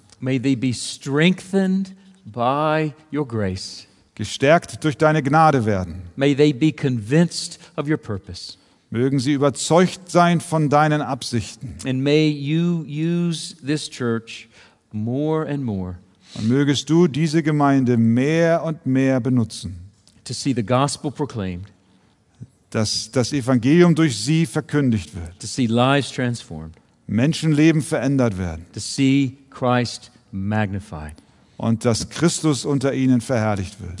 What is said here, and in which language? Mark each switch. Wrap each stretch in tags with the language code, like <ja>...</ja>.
<en>May they be strengthened by your grace.</en> <de>Gestärkt durch deine Gnade werden.</de> <en>May they be convinced of your purpose.</en> <de>Mögen sie überzeugt sein von deinen Absichten.</de> <en>And may you use this church more and more.</en> <de>Und mögest du diese Gemeinde mehr und mehr benutzen.</de> <en>To see the gospel proclaimed.</en> <de>Dass das Evangelium durch sie verkündigt wird.</de> <en>To see lives transformed.</en> <de>Menschenleben verändert werden.</de> <en>To see Christ magnified.</en> <de>Und dass Christus unter ihnen verherrlicht wird.</de>